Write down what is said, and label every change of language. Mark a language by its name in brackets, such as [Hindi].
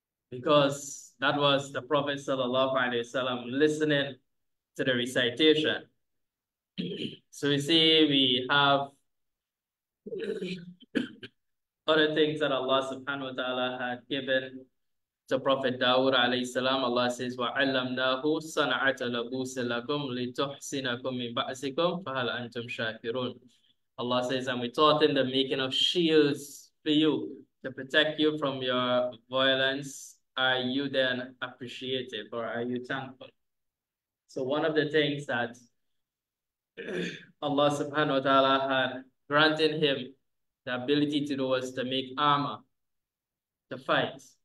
[English] Because that was the Prophet sallallahu alayhi wa sallam listening to the recitation. So we see we have other things that Allah subhanahu wa ta'ala had given to Prophet Dawood alayhi salam. Allah says, [Arabic] وَعَلَّمْنَاهُ صَنَعَةَ لَبُوسٍ لَكُمْ لِتُحْسِنَكُمْ مِنْ بَأْسِكُمْ فَهَلْ أَنْتُمْ شَاكِرُونَ. [English] Allah says, and we taught him the making of shields for you to protect you from your violence. Are you then appreciative or are you thankful? So one of the things that Allah subhanahu wa ta'ala had granted him the ability to do was to make armor to fight.